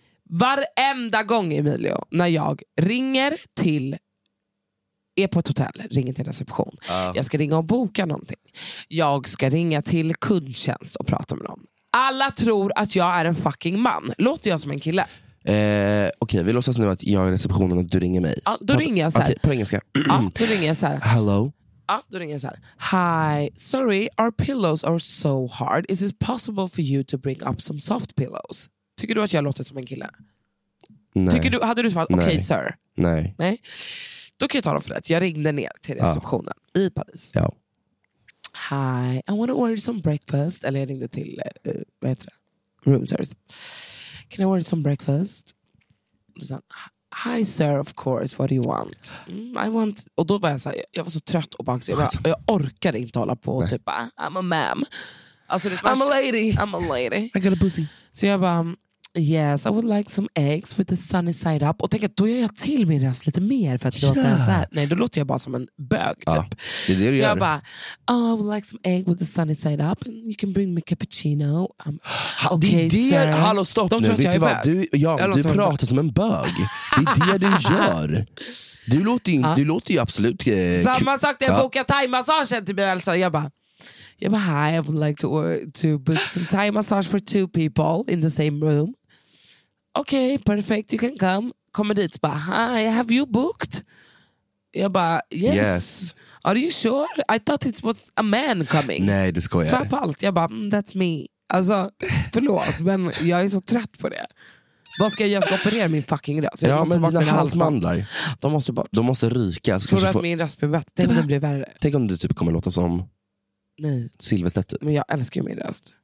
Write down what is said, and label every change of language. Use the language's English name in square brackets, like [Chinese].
[Swedish] Varenda gång, Emilio, när jag ringer till, är på ett hotell, ringer till reception. Jag ska ringa och boka någonting. Jag ska ringa till kundtjänst och prata med dem. Alla tror att jag är en fucking man. Låter jag som en kille? Okej, vi låtsas nu att jag är i receptionen och du ringer mig. Ja, då ringer jag så här. Okay, på engelska. Ja, då ringer jag så här. [English] Hello. [Swedish] Ja, då ringer jag så här. [English] Hi, sorry, our pillows are so hard. Is it possible for you to bring up some soft pillows? [Swedish] Tycker du att jag låter som en kille? Nej. Tycker du, hade du svarat, okej, [English] okay, sir? [Swedish] Nej. Nej. Då kan jag tala för det. Jag ringde ner till receptionen i Paris. Ja. [English] Hi, I want to order some breakfast. [Swedish] Eller jag ringde till, vad heter det? [English] Room service. Can I order some breakfast? [Swedish] Och så här, [English] hi sir, of course, what do you want? I want. [Swedish] Och då var jag så här, jag var så trött och bang, så jag orkade inte hålla på typ, [English] I'm a ma'am. [Swedish] Alltså, det var, [English] I'm a lady. I'm a lady. I got a pussy. [Swedish] Så jag bara, [English] yes, I would like some eggs with the sunny side up. [Swedish] Och tänkte, då gör jag till min röst lite mer för att låta så här. Nej, då låter jag bara som en bög typ. Ja, det är det så jag gör. Bara, [English] oh, I would like some egg with the sunny side up and you can bring me cappuccino. [Swedish] Okay, det är det. Hallå, stopp nu. Vet du vad? Du, Jan, du pratar som en bög. Det är det du gör. Du låter ju, du låter ju absolut... Samma sak när jag bokar thai-massagen till mig. Alltså, jag bara... [English] Yeah, but hi, I would like to book some Thai massage for 2 people in the same room. Okay, perfect, you can come. [Swedish] Kommer dit, bara, [English] hi, have you booked? [Swedish] Jag bara, [English] yes. Are you sure? I thought it was a man coming. [Swedish] Nej, det skojar. Svar på allt. Jag bara, [English] that's me. [Swedish] Alltså, förlåt, men jag är så trött på det. Vad ska jag ska operera min fucking röst? Ja, men dina halsmandlar. De måste bort. De måste ryka. Tror du att min röst blir bättre? Tänk om det blir värre. Tänk om du typ kommer låta som... Nej. Silvestet. Men jag älskar ju min röst.